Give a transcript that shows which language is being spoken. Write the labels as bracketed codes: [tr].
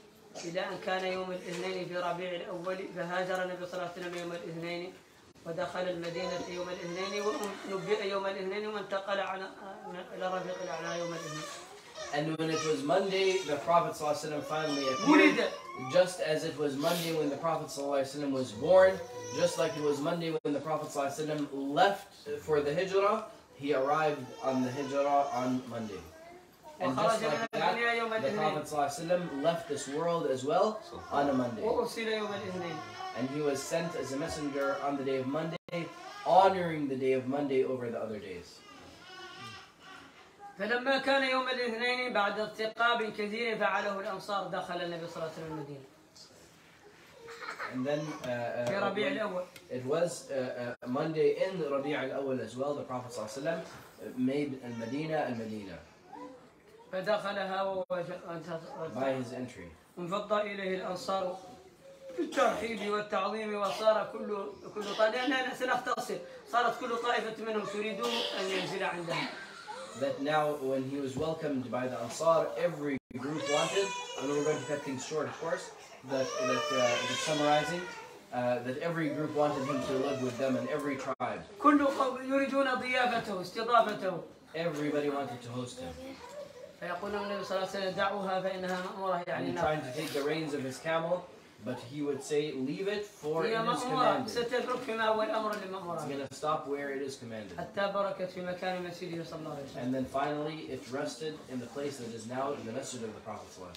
[ar] إلى أن كان يوم الاثنين في ربيع الأول فهاجر النبي صلى الله عليه وسلم يوم الاثنين ودخل المدينة يوم الاثنين ونبئ يوم الاثنين وانتقل إلى رفيق الأعلى يوم الاثنين. [en] And when it was Monday, the Prophet ﷺ finally appeared, just as it was Monday when the Prophet ﷺ was born, just like it was Monday when the Prophet ﷺ left for the Hijrah, he arrived on the Hijrah on Monday. And just like that, the Prophet ﷺ left this world as well on a Monday. And he was sent as a messenger on the day of Monday, honoring the day of Monday over the other days. [ar] فلما كان يوم الاثنين بعد ارتقاب كثير فعله الأنصار دخل النبي صلى الله عليه وسلم المدينة. [en] And then [ar] في ربيع الأول. [en] It was Monday in ربيع الأول as well. The Prophet صلى الله عليه وسلم made المدينة المدينة. [ar] فدخلها ووجد [en] by his entry. [ar] انفض إليه الأنصار الترحيب والتعظيم وصار كل طائفة لأننا سنفتصل صارت كل طائفة منهم تريدون أن ينزل عندهم. [en] That now when he was welcomed by the Ansar, every group wanted, and we're going to cut things short, of course, that summarizing, that every group wanted him to live with them in every tribe. [ar] كل قوم يريدون ضيافته استضافته. [en] Everybody wanted to host him. [ar] فيقول النبي صلى الله عليه وسلم دعوها فإنها مأمورة يعني. [en] He tried to take the reins of his camel, but he would say, leave it for it is commanded. It's going to stop where it is commanded. And then finally, it rested in the place that is now in the masjid of the Prophet